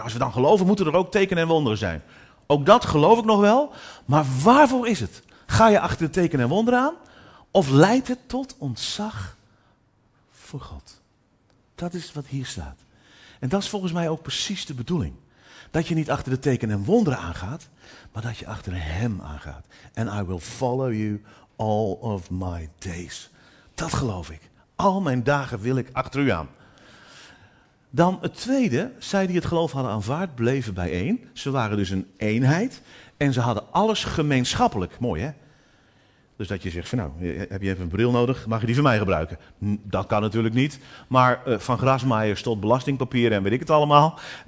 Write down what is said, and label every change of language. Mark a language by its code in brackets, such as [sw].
[nl] Als we dan geloven, moeten er ook tekenen en wonderen zijn. Ook dat geloof ik nog wel, maar waarvoor is het? Ga je achter de tekenen en wonderen aan? Of leidt het tot ontzag voor God? Dat is wat hier staat. En dat is volgens mij ook precies de bedoeling. Dat je niet achter de tekenen en wonderen aangaat, maar dat je achter hem aangaat. [en] And I will follow you all of my days. [nl] Dat geloof ik. Al mijn dagen wil ik achter u aan. Dan het tweede, zij die het geloof hadden aanvaard, bleven bijeen. Ze waren dus een eenheid en ze hadden alles gemeenschappelijk. Mooi hè? Dus dat je zegt, van, nou, heb je even een bril nodig, mag je die van mij gebruiken? Dat kan natuurlijk niet, maar van grasmaaiers tot belastingpapieren en weet ik het allemaal.